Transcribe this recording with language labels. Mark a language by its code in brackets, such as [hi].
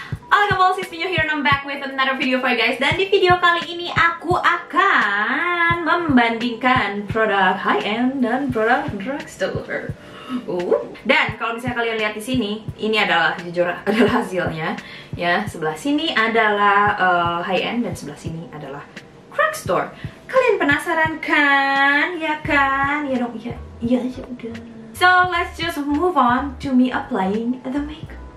[en] Hello guys, it's Pinyo here and I'm back with another video for you guys. [id] Dan di video kali ini aku akan membandingkan produk high end dan produk drugstore. Dan kalau misalnya kalian lihat di sini, ini adalah jujur adalah hasilnya. Ya, sebelah sini adalah high end dan sebelah sini adalah drugstore. Kalian penasaran kan? Ya kan? Ya dong, ya. Ya sudah. [en] So, let's just move on to me applying the makeup.